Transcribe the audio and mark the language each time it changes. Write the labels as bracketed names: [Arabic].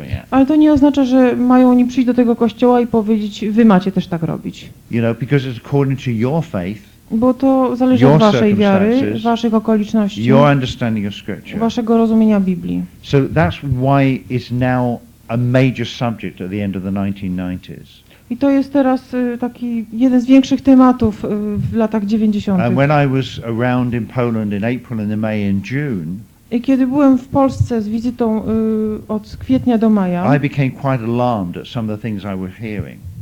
[Polish] Ale to nie oznacza, że mają oni przyjść do tego kościoła i powiedzieć, wy macie też tak robić. [English] You know, because it's according to your faith, [Polish] bo to zależy od waszej wiary, waszych okoliczności, [English] your understanding of scripture. [Polish] Waszego rozumienia Biblii. [English] So that's why it's now a major subject at the end of the 1990s. [Polish] I to jest teraz taki jeden z większych tematów w latach 90. [English] And when I was around in Poland in April and May and June, [Polish] i kiedy byłem w Polsce z wizytą od kwietnia do maja, [English] I became quite alarmed at some of the things I was hearing.